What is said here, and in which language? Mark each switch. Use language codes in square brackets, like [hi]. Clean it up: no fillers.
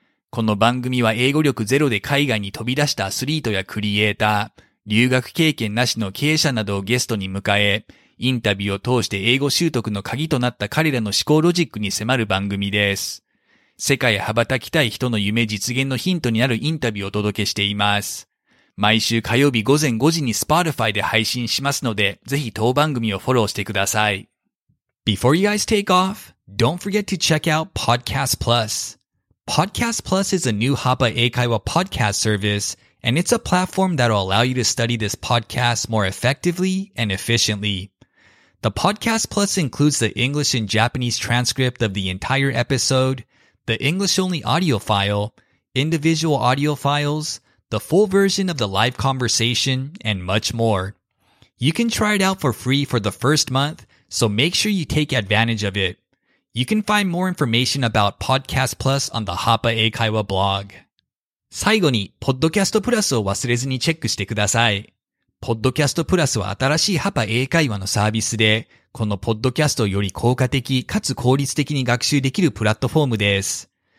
[ja] この番組は英語力ゼロで海外に飛び出したアスリートやクリエイター、留学経験なしの経営者などをゲストに迎え、インタビューを通して英語習得の鍵となった彼らの思考ロジックに迫る番組です。世界へ羽ばたきたい人の夢実現のヒントになるインタビューをお届けしています。毎週火曜日午前5時に Spotify で配信しますので、ぜひ当番組をフォローしてください。 [en] Before you guys take off, don't forget to check out Podcast Plus. Podcast Plus is a new Hapa 英会話 podcast service, and it's a platform that'll allow you to study this podcast more effectively and efficiently. The Podcast Plus includes the English and Japanese transcript of the entire episode, the English-only audio file, individual audio files, the full version of the live conversation, and much more. You can try it out for free for the first month, so make sure you take advantage of it. You can find more information about Podcast Plus on the Hapa Eikaiwa blog. [ja] 最後に、Podcast Plus を忘れずにチェックしてください。ポッドキャストプラスは新しいハパ英会話のサービスで、このポッドキャストをより効果的かつ効率的に学習できるプラットフォームです。